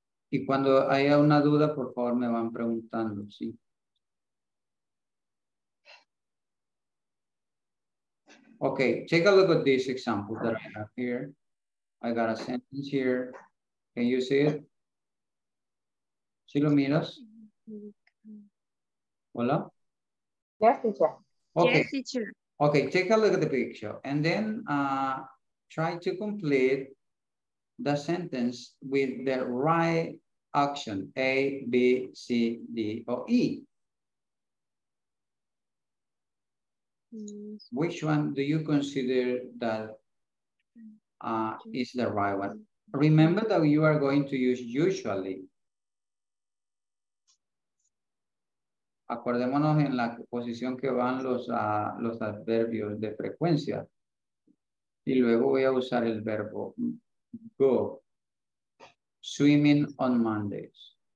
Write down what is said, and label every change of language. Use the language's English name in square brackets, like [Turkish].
[Spanish] Y cuando haya una duda, por favor, me van preguntando, ¿sí? [English] Okay, take a look at this example that I have here. I got a sentence here. Can you see it? [Spanish] ¿Sí lo miras? Hola? [English] Yes, teacher. Okay. Yes, teacher. Okay, take a look at the picture and then try to complete the sentence with the right action, A, B, C, D, or E. Which one do you consider that is the right one? Remember that you are going to use usually. [Spanish] Acordémonos en la posición que van los adverbios de frecuencia. Y luego voy a usar el verbo [English] go swimming on Mondays.